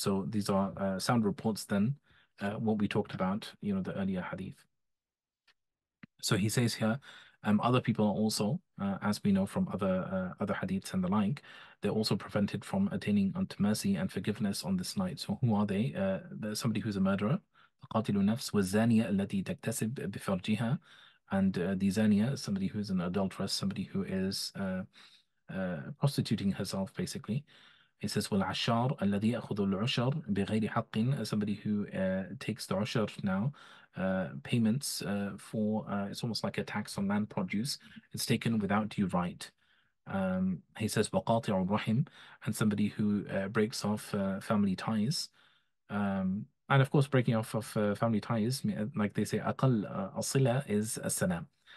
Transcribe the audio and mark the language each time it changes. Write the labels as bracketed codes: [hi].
[en] So these are sound reports than what we talked about, you know, the earlier hadith. So he says here, other people are also, as we know from other other hadiths and the like, they're also prevented from attaining unto mercy and forgiveness on this night. So who are they? There's somebody who's a murderer. [ar] قاتل نفس والزانية التي تكتسب بفرجها. [en] And the zania is somebody who is an adulteress, somebody who is prostituting herself, basically. It says, [ar] والعشار الذي يأخذ العشر بغير حق. [en] Somebody who takes the عشر now, payments for, it's almost like a tax on land produce. It's taken without due right. He says, [ar] وقاطع الرحم. [en] And somebody who breaks off family ties. And of course, breaking off of family ties, like they say, [ar] أقل الصلة [en] is السلام.